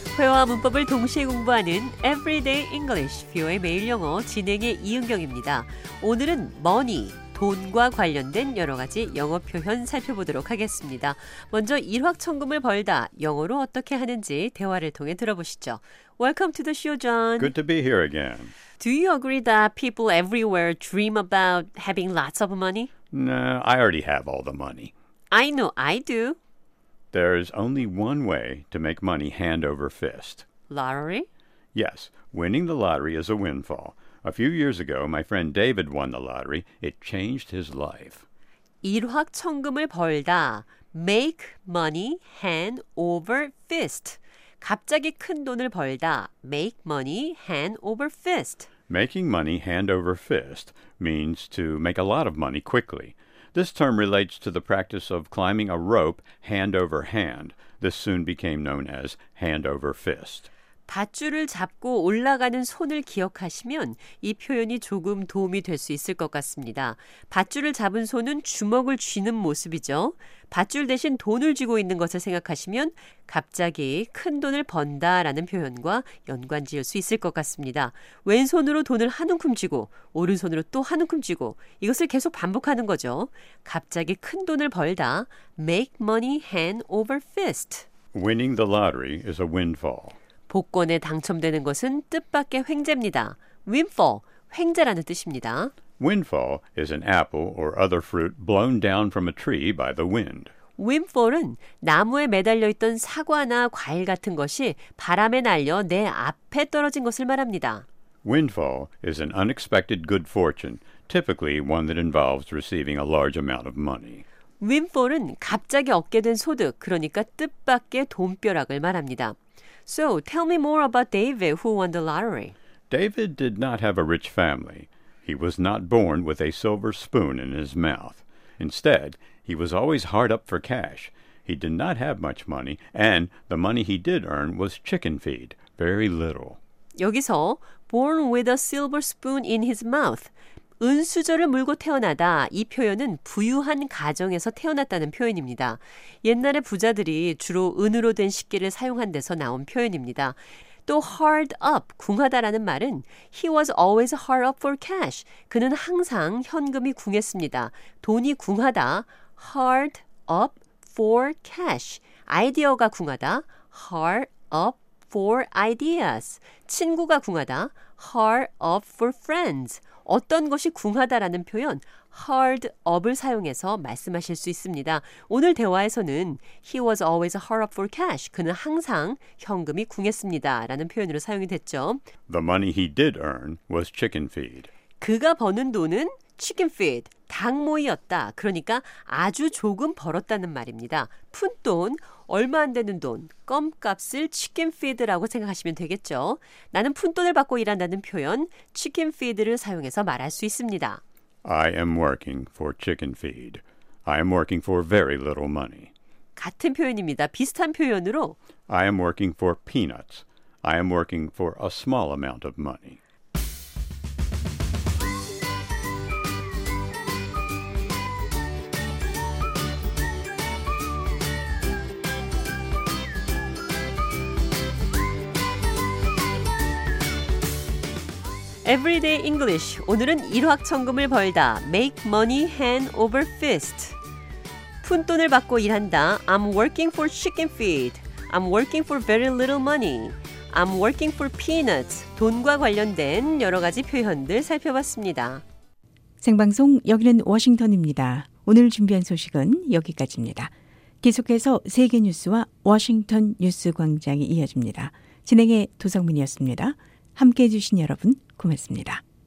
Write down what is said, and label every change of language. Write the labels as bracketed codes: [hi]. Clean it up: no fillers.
[ko] 회화와 문법을 동시에 공부하는 Everyday English, VOA 매일 영어 진행의 이은경입니다. 오늘은 Money, 돈과 관련된 여러 가지 영어 표현 살펴보도록 하겠습니다. 먼저 일확천금을 벌다, 영어로 어떻게 하는지 대화를 통해 들어보시죠. [en] Welcome to the show, John. Good to be here again. Do you agree that people everywhere dream about having lots of money? No, I already have all the money. I know I do. There is only one way to make money hand over fist. Lottery? Yes, winning the lottery is a windfall. A few years ago, my friend David won the lottery. It changed his life. [ko] 일확천금을 벌다, [en] make money hand over fist. [ko] 갑자기 큰 돈을 벌다, [en] make money hand over fist. Making money hand over fist means to make a lot of money quickly. This term relates to the practice of climbing a rope hand over hand. This soon became known as hand over fist. [ko] 밧줄을 잡고 올라가는 손을 기억하시면 이 표현이 조금 도움이 될 수 있을 것 같습니다. 밧줄을 잡은 손은 주먹을 쥐는 모습이죠. 밧줄 대신 돈을 쥐고 있는 것을 생각하시면 갑자기 큰 돈을 번다라는 표현과 연관 지을 수 있을 것 같습니다. 왼손으로 돈을 한 움큼 쥐고 오른손으로 또 한 움큼 쥐고 이것을 계속 반복하는 거죠. 갑자기 큰 돈을 벌다. [en] Make money hand over fist. Winning the lottery is a windfall. [ko] 복권에 당첨되는 것은 뜻밖의 횡재입니다. Windfall, 횡재라는 뜻입니다. [en] Windfall is an apple or other fruit blown down from a tree by the wind. [ko] Windfall은 나무에 매달려 있던 사과나 과일 같은 것이 바람에 날려 내 앞에 떨어진 것을 말합니다. [en] Windfall is an unexpected good fortune, typically one that involves receiving a large amount of money. [ko] Windfall은 갑자기 얻게 된 소득, 그러니까 뜻밖의 돈벼락을 말합니다. [en] So, tell me more about David, who won the lottery. David did not have a rich family. He was not born with a silver spoon in his mouth. Instead, he was always hard up for cash. He did not have much money, and the money he did earn was chicken feed, very little. [ko] 여기서, [en] born with a silver spoon in his mouth. [ko] 은수저를 물고 태어나다, 이 표현은 부유한 가정에서 태어났다는 표현입니다. 옛날에 부자들이 주로 은으로 된 식기를 사용한 데서 나온 표현입니다. [en] 또 hard up, [ko] 궁하다라는 말은 [en] he was always hard up for cash. [ko] 그는 항상 현금이 궁했습니다. 돈이 궁하다, [en] hard up for cash. [ko] 아이디어가 궁하다, [en] hard up for ideas. [ko] 친구가 궁하다, [en] hard up for friends. [ko] 어떤 것이 궁하다라는 표현, hard up을 사용해서 말씀하실 수 있습니다. 오늘 대화에서는 [en] he was always hard up for cash. [ko] 그는 항상 현금이 궁했습니다. 라는 표현으로 사용이 됐죠. [en] The money he did earn was chicken feed. [ko] 그가 버는 돈은 chicken feed, 닭 모이였다. 그러니까 아주 조금 벌었다는 말입니다. 푼돈, 얼마 안 되는 돈, 껌값을 chicken feed라고 생각하시면 되겠죠. 나는 푼돈을 받고 일한다는 표현, chicken feed를 사용해서 말할 수 있습니다. [en] I am working for chicken feed. I am working for very little money. [ko] 같은 표현입니다. 비슷한 표현으로 [en] I am working for peanuts. I am working for a small amount of money. 에브리데이 잉글리쉬, [ko] 오늘은 일확천금을 벌다, [en] make money hand over fist. [ko] 푼돈을 받고 일한다, [en] I'm working for chicken feed. I'm working for very little money. I'm working for peanuts. [ko] 돈과 관련된 여러 가지 표현들 살펴봤습니다. 생방송 여기는 워싱턴입니다. 오늘 준비한 소식은 여기까지입니다. 계속해서 세계뉴스와 워싱턴 뉴스 광장이 이어집니다. 진행의 도성민이었습니다. 함께해 주신 여러분 고맙습니다.